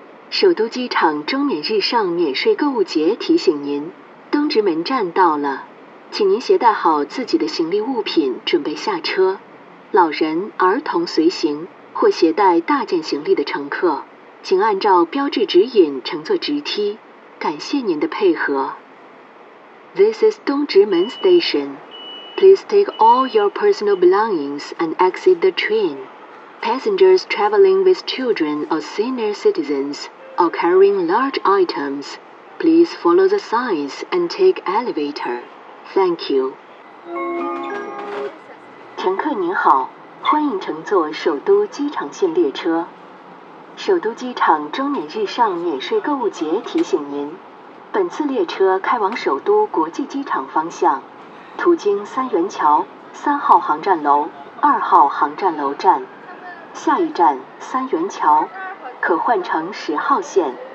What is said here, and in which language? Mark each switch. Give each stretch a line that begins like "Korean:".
Chinese: 首都机场中免日上免税购物节提醒您，东直门站到了，请您携带好自己的行李物品准备下车。老人、儿童随行或携带大件行李的乘客，请按照标志指引乘坐直梯。感谢您的配合。
English: This is 东直门 Station. Please take all your personal belongings and exit the train. Passengers traveling with children or senior citizens or carrying large items, please follow the signs and take elevator. Thank you.
Chinese: 乘客您好，欢迎乘坐首都机场线列车。首都机场中免日上免税购物节提醒您，本次列车开往首都国际机场方向，途经三元桥、三号航站楼、二号航站楼站，下一站三元桥，可换乘十号线。